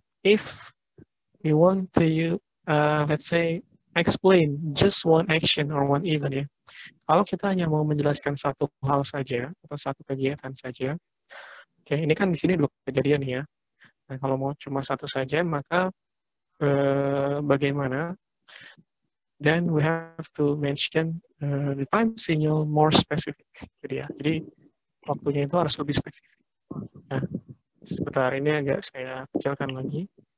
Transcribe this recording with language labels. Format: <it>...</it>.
<en>If we want to, let's say, explain just one action or one event ya.</en> <id>Kalau kita hanya mau menjelaskan satu hal saja atau satu kegiatan saja, oke, ini kan di sini dua kejadian ya. Nah, kalau mau cuma satu saja, maka bagaimana?</id> <en>Then we have to mention the time signal more specific.</en> <id>Jadi ya, jadi waktunya itu harus lebih spesifik. Nah, sebentar ini agak saya kecilkan lagi.</id>